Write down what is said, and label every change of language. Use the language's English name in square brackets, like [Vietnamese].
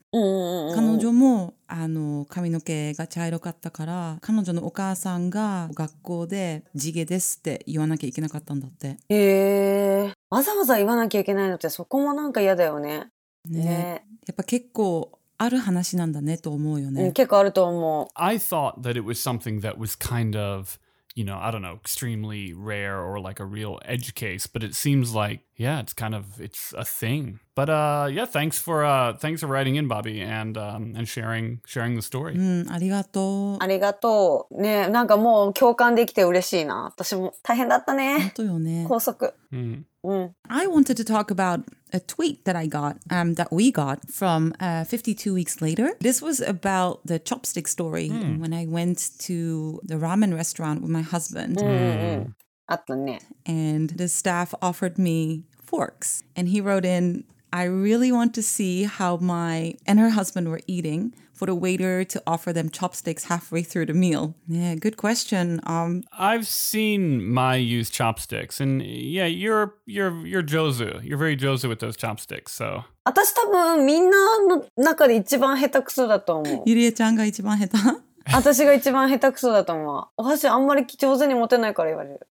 [Japanese] 彼女もあの髪の毛が茶色かったから、彼女のお母さんが学校で地毛ですって言わなきゃいけなかったんだって。へえ、わざわざ言わなきゃいけないのってそこもなんか嫌だよね。ねやっぱ結構ある話なんだねと思うよね。結構あると思う。 [English] I thought that it was something that was kind of, you know, I don't know, extremely rare or like a real edge case, but it seems like, yeah, it's a thing. But yeah, thanks for writing in, Bobby, and sharing the story. [Japanese] ありがとう。ありがとう。ね、なんかもう共感できて嬉しいな。私も大変だったね。本当よね。高速。 [English] I wanted to talk about a tweet that I got, that we got from 52 weeks later. This was about the chopstick story when I went to the ramen restaurant with my husband. [Japanese] あったね。 [English] And the staff offered me forks. And he wrote in, I really want to see how my and her husband were eating for the waiter to offer them chopsticks halfway through the meal. Yeah, good question. I've seen my use chopsticks, and yeah, you're Jozu. You're very Jozu with those chopsticks, so. [Japanese] 私多分みんなの中で一番下手くそだと思う。ゆりえちゃんが一番下手。私が一番下手くそだと思う。お箸あんまり上手に持てないから言われる。